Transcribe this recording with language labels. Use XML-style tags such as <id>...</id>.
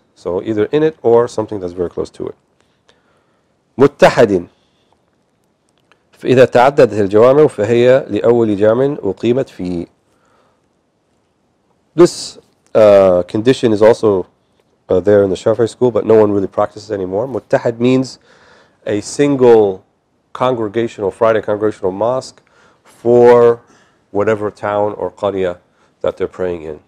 <en>So either in it or something that's very close to it.</en> <ar>متحدين. فإذا تعددت الجوامع فهي لأول جامع أقيمت فيه.</ar> <en>This condition is also there in the Shafi'i school, but no one really practices anymore. متحد means a single congregational, Friday congregational mosque for whatever town or qariya that they're praying in.</en>